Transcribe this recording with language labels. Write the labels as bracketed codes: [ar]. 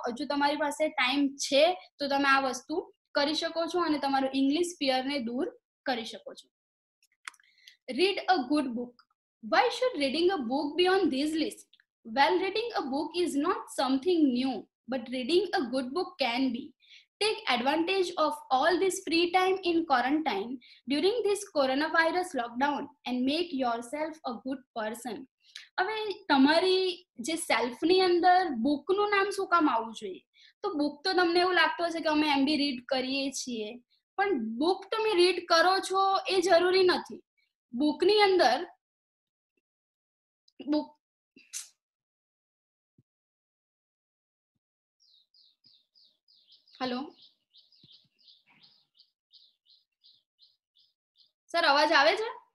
[gu] હજુ તમારી પાસે ટાઈમ છે તો તમે આ વસ્તુ કરી શકો છો અને તમારું ઇંગ્લિશ ફિયરને દૂર કરી શકો છો. [en] Read a good book. Why should reading a book be on this list? Well, reading a book is not something new, but reading a good book can be. Take advantage of all this free time in quarantine during this coronavirus lockdown and make yourself a good person. [gu] હવે તમારી જે સેલ્ફની અંદર બુકનું નામ શું કામ આવવું જોઈએ? તો બુક તો તમને એવું લાગતું હશે કે અમે એમ બી રીડ કરીએ છીએ, પણ બુક તમે રીડ કરો છો એ જરૂરી નથી. બુકની અંદર બુક હેલો સર, અવાજ આવે છે?